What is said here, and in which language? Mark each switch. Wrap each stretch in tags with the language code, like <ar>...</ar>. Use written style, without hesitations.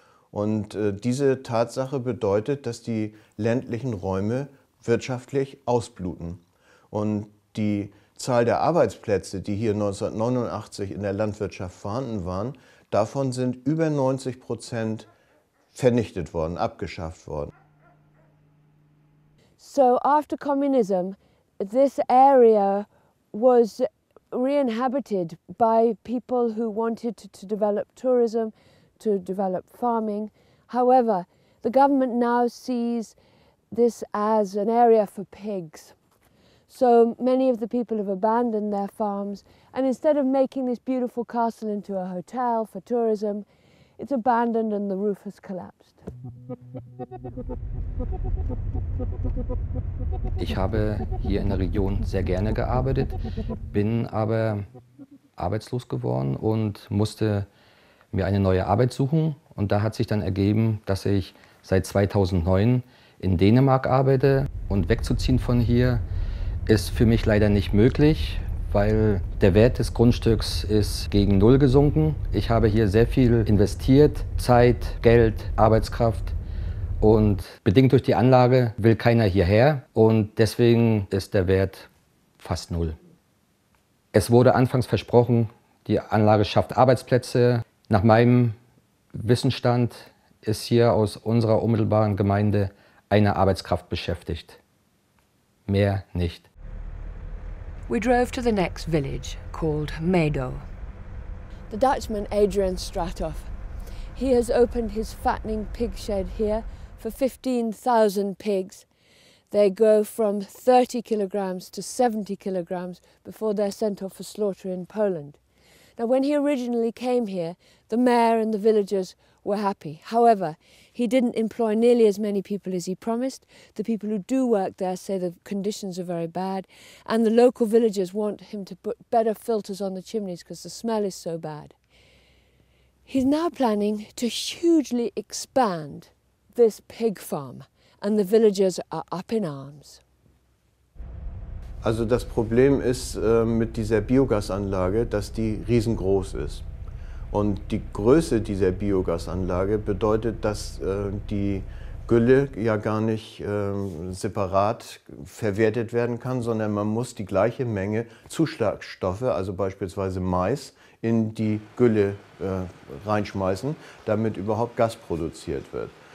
<de>Und diese Tatsache bedeutet, dass die ländlichen Räume wirtschaftlich ausbluten. Und die Zahl der Arbeitsplätze, die hier 1989 in der Landwirtschaft vorhanden waren, davon sind über 90% vernichtet worden, abgeschafft worden.</de> <en>So after communism, this area was re-inhabited by people who wanted to develop tourism, to develop farming. However, the government now sees this as an area for pigs. So many of the people have abandoned their farms, and instead of making this beautiful castle into a hotel for tourism, it's abandoned and the roof has collapsed.</en> <de>Ich habe hier in der Region sehr gerne gearbeitet, bin aber arbeitslos geworden und musste mir eine neue Arbeit suchen und da hat sich dann ergeben, dass ich seit 2009 in Dänemark arbeite und wegzuziehen von hier ist für mich leider nicht möglich, weil der Wert des Grundstücks ist gegen Null gesunken. Ich habe hier sehr viel investiert, Zeit, Geld, Arbeitskraft und bedingt durch die Anlage will keiner hierher und deswegen ist der Wert fast Null. Es wurde anfangs versprochen, die Anlage schafft Arbeitsplätze. Nach meinem Wissensstand ist hier aus unserer unmittelbaren Gemeinde eine Arbeitskraft beschäftigt. Mehr nicht.</de> <en>We drove to the next village called Meadow. The Dutchman Adrian Stratoff. He has opened his fattening pig shed here for 15,000 pigs. They go from 30 kilograms to 70 kilograms before they're sent off for slaughter in Poland. Now, when he originally came here, the mayor and the villagers were happy. However, he didn't employ nearly as many people as he promised. The people who do work there say the conditions are very bad, and the local villagers want him to put better filters on the chimneys because the smell is so bad. He's now planning to hugely expand this pig farm, and the villagers are up in arms.</en> <de>Also das Problem ist mit dieser Biogasanlage, dass die riesengroß ist. Und die Größe dieser Biogasanlage bedeutet, dass die Gülle ja gar nicht separat verwertet werden kann, sondern man muss die gleiche Menge Zuschlagstoffe, also beispielsweise Mais, in die Gülle reinschmeißen, damit überhaupt Gas produziert wird.</de>